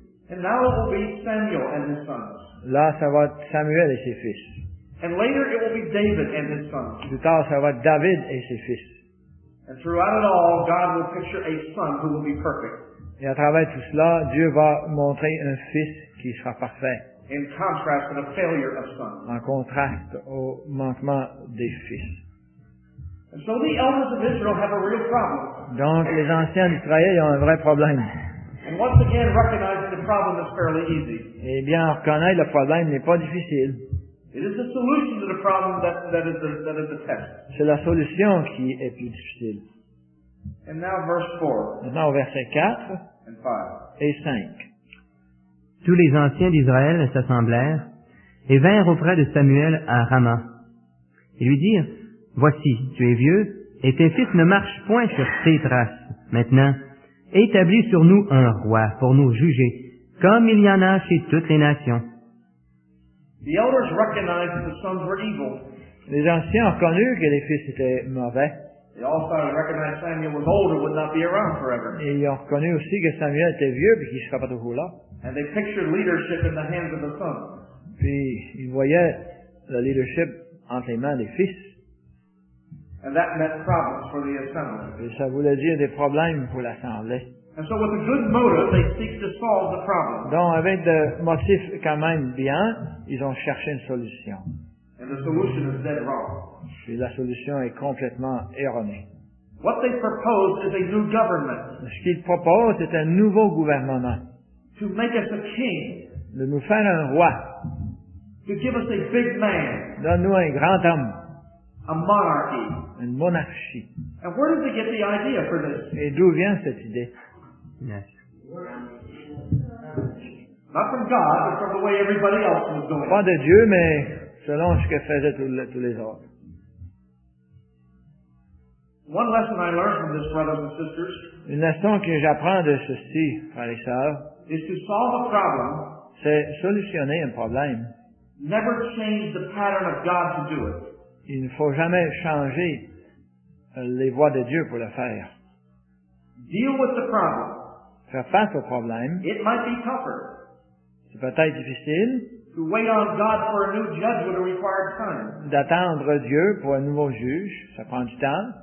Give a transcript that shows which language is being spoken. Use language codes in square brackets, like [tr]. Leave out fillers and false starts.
[en] And now it will be Samuel and his sons. [fr] Là, ça va être Samuel et ses fils. [en] And later it will be David and his sons. [fr] Plus tard, ça va être David et ses fils. [en] And throughout it all, God will picture a son who will be perfect. [fr] Et à travers tout cela, Dieu va montrer un fils qui sera parfait. [en] In contrast to the failure of sons. [fr] En contraste au manquement des fils. [en] And so the elders of Israel have a real problem. [fr] Donc les anciens d'Israël ont un vrai problème. [en] And once again, recognizing the problem is fairly easy. [fr] Eh bien, reconnaître le problème n'est pas difficile. [en] It is the solution to the problem that is the test. [fr] C'est la solution qui est plus difficile. [en] And now verse 4. [fr] Maintenant au verset 4 [en] and 5. [fr] Et 5. Tous les anciens d'Israël s'assemblèrent et vinrent auprès de Samuel à Rama. Ils lui dirent, « Voici, tu es vieux, et tes fils ne marchent point sur tes traces. Maintenant, établis sur nous un roi pour nous juger, comme il y en a chez toutes les nations. » [en] The elders recognized that the sons were evil. [fr] Les anciens ont reconnu que les fils étaient mauvais. [en] They also recognized Samuel was old and would not be around forever. [fr] Et ils ont reconnu aussi que Samuel était vieux et qu'il ne serait pas toujours là. [en] And they pictured leadership in the hands of the sons. [fr] Puis ils voyaient le leadership entre les mains des fils. [en] And that meant problems for the assembly. [fr] Et ça voulait dire des problèmes pour l'assemblée. [en] And so with a good motive, they seek to solve the problem. [fr] Donc avec des motifs quand même bien, ils ont cherché une solution. [en] And the solution is dead wrong. [fr] Et la solution est complètement erronée. [en] What they propose is a new government. [fr] Ce qu'ils proposent est un nouveau gouvernement. [en] To make us a king. [fr] De nous faire un roi. [en] To give us a big man. [fr] Donne-nous un grand homme. [en] A monarchy. [fr] Une monarchie. [en] And where did they get the idea for this? [fr] Et d'où vient cette idée? [en] Yes. Not from God, but from the way everybody else was doing. [fr] Pas de Dieu, mais selon ce que faisaient tous les autres. [en] One lesson I learned from this, brothers and sisters. [fr] Une leçon que j'apprends de ceci, frères et sœurs. [en] Is to solve a problem. [fr] C'est solutionner un problème. [en] Never change the pattern of God to do it. [fr] Il ne faut jamais changer les voies de Dieu pour le faire. [en] Deal with the problem. [fr] Faire face au problème. [en] It might be tougher. [fr] C'est peut-être difficile. [en] To wait on God for a new judge with a required time. [fr] D'attendre Dieu pour un nouveau juge, ça prend du temps.